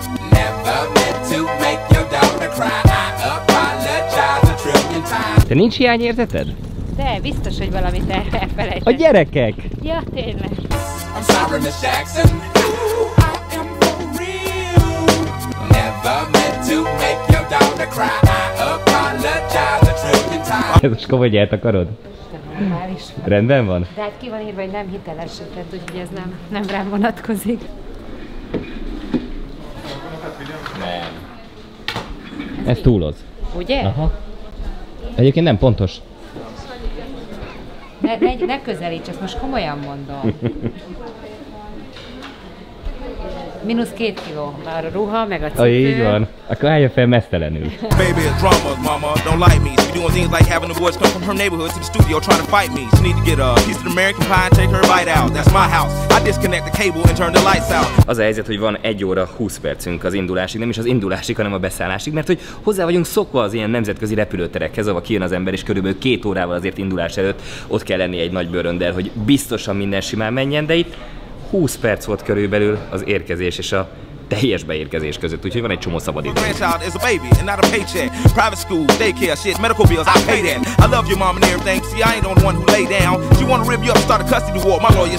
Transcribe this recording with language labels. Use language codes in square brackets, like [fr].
[en] Never meant to make your daughter cry. I apologize a trillion times. [hu] Te nincs hiányérzeted? De, biztos, hogy valamit elfelejtett. A gyerekek! Ja, tényleg. [en] I'm sorry, Miss Jackson. Ooh, I am for real. Never meant to make your daughter cry. I apologize a trillion times. [hu] Ez most komoly, hogy eltakarod? Már is. Rendben van? De hát ki van írva, hogy nem hitelesített, úgyhogy ez nem rám vonatkozik. Nem. Ez túloz. Ugye? Aha. Egyébként nem pontos. Ne közelíts, ezt most komolyan mondom. -2 kiló, már a ruha, meg a cipő. Így van. Akkor álljon fel mesztelenül. [en] Baby, it's drama, mama, don't like me. She be doing things like having the boys come from her neighborhood to the studio trying to fight me. She need to get a piece of American pie and take her bite out. That's my house. I disconnect the cable and turn the lights out. [hu] Az a helyzet, hogy van 1 óra 20 percünk az indulásig, nem is az indulásig, hanem a beszállásig, mert hogy hozzá vagyunk szokva az ilyen nemzetközi repülőterekhez, ahol kijön az ember, és körülbelül 2 órával azért indulás előtt ott kell lenni egy nagy bőröndel, hogy biztosan minden simán menjen, de itt 20 perc volt körülbelül az érkezés és a teljes beérkezés között, úgyhogy van egy csomó szabad idő.